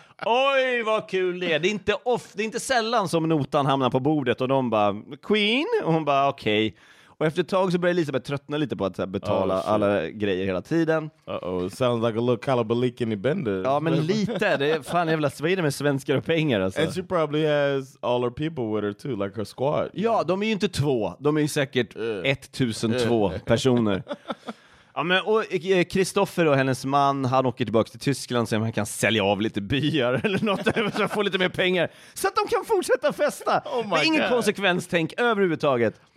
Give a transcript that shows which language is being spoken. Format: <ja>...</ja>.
<sv>Oj, vad kul det är. Det är inte ofta, det är inte sällan som notan hamnar på bordet och de bara queen, och hon bara okej. Och efter ett tag så börjar Elisabeth tröttna lite på att betala alla grejer hela tiden.</sv> <en>Uh-oh, sounds like a little calabalik in the bender.</en> <sv>Ja, men lite. Det är fan jävla svida med svenskar och pengar. Alltså.</sv> <en>And she probably has all her people with her too, like her squad.</en> <sv>Ja, de är ju inte två. De är ju säkert 1002 personer. Ja, men och Kristoffer och hennes man, han åker tillbaka till Tyskland så att man kan sälja av lite byar eller något, så att få lite mer pengar så att de kan fortsätta festa. Oh, det är ingen konsekvens tänk överhuvudtaget.</sv>